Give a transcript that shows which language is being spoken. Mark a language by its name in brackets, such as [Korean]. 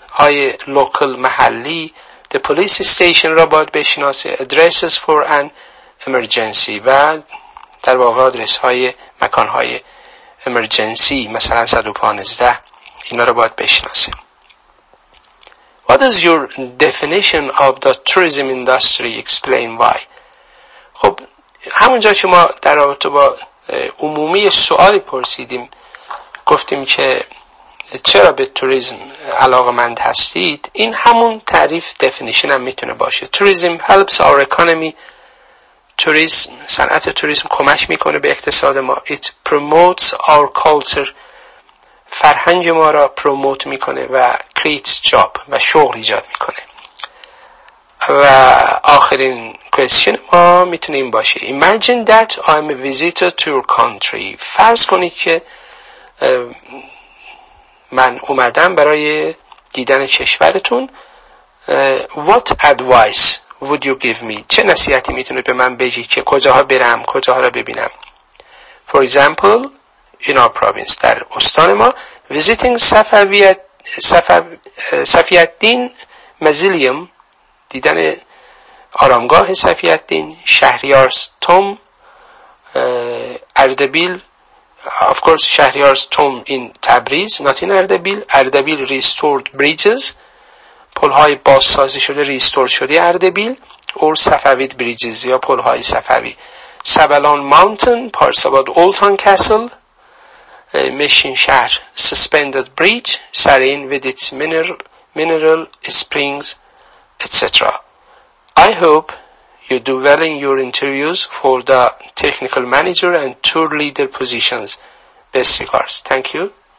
[Persian] های لوکل محلی the police station را باید بشناسه, [English] addresses for an emergency [Persian] و در واقع آدرس های مکان های emergency مثلا 115 اینا را باید بشناسه. [English] What is your definition of the tourism industry? Explain why. [Persian] خب همونجا که ما در رابطه با عمومی سوالی پرسیدیم گفتیم که چرا به توریسم علاقمند هستید, این همون تعریف دفینیشن هم میتونه باشه. توریسم [English] helps our economy. [Persian] توریسم صنعت توریسم کمک میکنه به اقتصاد ما. [English] It promotes our culture. [Persian] فرهنگ ما را پروموت میکنه و [English] creates job [Persian] و شغل ایجاد میکنه. و آخرین question ما میتونه این باشه. [English] Imagine that I am a visitor to your country. [Persian] فرض کنید که من اومدم برای دیدن کشورتون. [English] What advice would you give me? [Persian] چه نصیحتی میتونه به من بگی که کجاها برم, کجاها را ببینم؟ [English] For example, in our province, [Persian] در استان ما, [English] visiting Safaviyyuddin Mausoleum, [Persian] دیدن آرامگاه صفی‌الدین, شهریار's tomb, [English] Ardabil, of course شهریار's tomb in Tabriz, not in Ardabil, Ardabil restored bridges, [Persian] پل‌های بازسازی شده, [English] restored شده اردبیل, or Safavid bridges, [Persian] یا پل‌های صفوی, [English] Sabalon mountain, parts about Old Town Castle, مشین شهر, suspended bridge, سرین with its mineral springs, etc. I hope you do well in your interviews for the technical manager and tour leader positions. Best regards. Thank you.